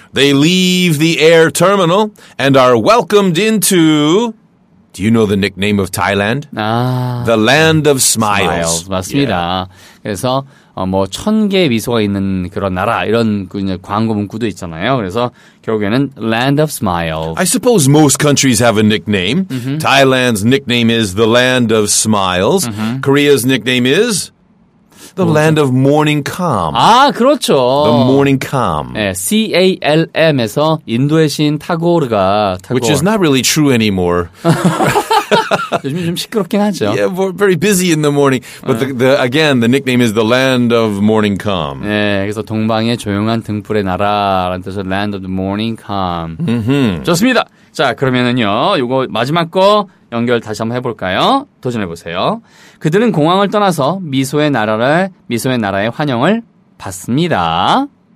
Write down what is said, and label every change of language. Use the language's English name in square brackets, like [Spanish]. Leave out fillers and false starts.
[English] They leave the air terminal and are welcomed into... Do you know the nickname of Thailand? [Korean] 아, [English] the land of smiles. [Korean] 맞습니다. [English] Yeah. [Korean] 그래서 뭐 천 개의 미소가 있는 그런 나라 이런 광고 문구도 있잖아요. 그래서 결국에는 [English] land of smiles. I suppose most countries have a nickname. Mm-hmm. Thailand's nickname is the land of smiles. Mm-hmm. Korea's nickname is... The land of morning calm. [Korean] 아, 그렇죠. [English] The morning calm. [Korean] 네, C-A-L-M에서 인도의 신 타고르가. 타고르. [English] Which is not really true anymore. [Korean] 요즘 좀 시끄럽긴 하죠. [English] Yeah, we're very busy in the morning. But [Korean] 네. [English] the again, the nickname is the land of morning calm. [Korean] 네, 그래서 동방의 조용한 등불의 나라라는 뜻은 [English] land of the morning calm. Mm-hmm. [Korean] 좋습니다. 자, 그러면은요, 요거 마지막 거 연결 다시 한번 해볼까요? 도전해보세요. 그들은 공항을 떠나서 미소의 나라의 환영을 받습니다.